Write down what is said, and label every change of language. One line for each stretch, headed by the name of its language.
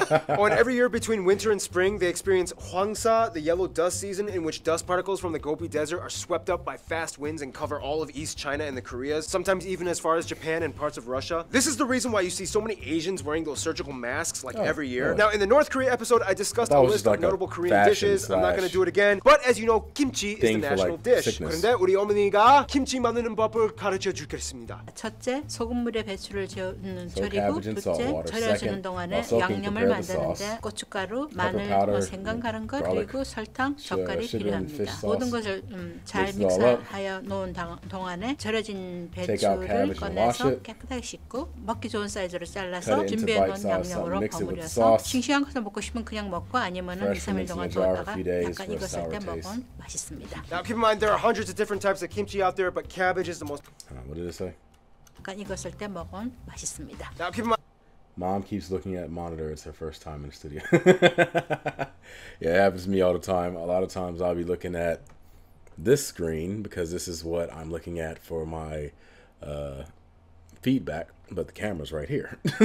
English: Oh, and every year between winter and spring, they experience Hwangsa, the yellow dust season, in which dust particles from the Gobi Desert are swept up by fast winds and cover all of East China and the Koreas, sometimes even as far as Japan and parts of Russia. This is the reason why you see so many Asians wearing those surgical masks like every year. Yeah. Now, in the North Korea episode, I discussed a list of like notable Korean dishes. Slash. I'm not going to do it again. But as you know, kimchi is the national for, like, dish.
Korean: 그런데 우리 어머니가 김치 만드는 법을 가르쳐 주겠습니다. 첫째, 소금물에 배추를 절이고 둘째 절여주는 동안에 양념을 만드는데 고춧가루, 마늘, 생강 가른 것, 그리고 설탕, 젓갈이 필요합니다. 모든 것을 잘 믹스하여 놓은 동안에 절여진 배추를 꺼내서 깨끗하게 씻고 먹기 좋은 사이즈로 잘라서 준비해놓은 양념으로 버무려서 싱싱한 것을 먹고 싶으면 그냥 먹고 아니면 2, 3일 동안 두었다가 약간 익었을 때 먹으면 맛있습니다.
English: Now keep in mind there are hundreds of different types of kimchi out there, but cabbage is the most... What did it say?
Korean: 약간 익었을 때 먹으면 맛있습니다.
English: Now keep in mind... Mom keeps looking at monitor. It's her first time in the studio. Yeah, it happens to me all the time. A lot of times I'll be looking at this screen because this is what I'm looking at for my feedback, but the camera's right here.